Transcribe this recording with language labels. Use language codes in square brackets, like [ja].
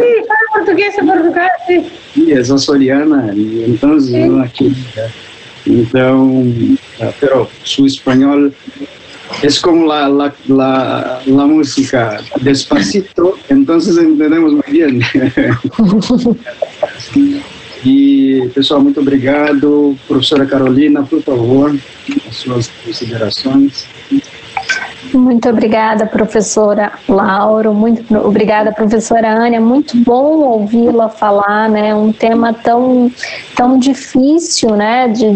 [pt] É, sim, fala português de Portugal, sim. E é açoriana, então, sim. Aqui. [es] Então, pero su español es como la música, despacito, entonces entendemos muy bien. [pt] E, pessoal, muito obrigado. Professora Carolina, por favor, as suas considerações. Muito obrigada, professora Lauro. Muito obrigada, professora Ana. Muito bom ouvi-la falar, né? Um tema tão, tão difícil, né?